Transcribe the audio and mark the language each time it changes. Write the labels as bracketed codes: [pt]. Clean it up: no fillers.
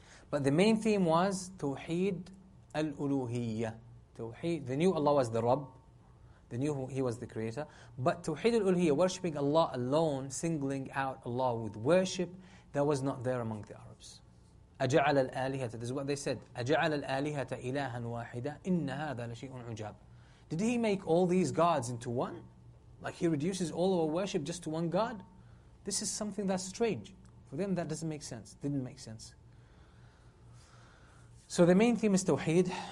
[en] But the main theme was Tawheed al-Uluhiyya. Tawheed, they knew Allah was the Rabb. They knew He was the creator. But Tawheed al-Uluhiyya, worshipping Allah alone, singling out Allah with worship, that was not there among the Arabs. [ar] أَجَعَلَ الْآلِهَةَ, [en] this is what they said, [ar] أَجَعَلَ الْآلِهَةَ إِلَهًا وَاحِدًا إِنَّ هَذَا لَشِيءٌ عُجَابٌ. [en] Did He make all these gods into one? Like He reduces all our worship just to one God? This is something that's strange. For them, that doesn't make sense. Didn't make sense. So the main theme is Tawheed.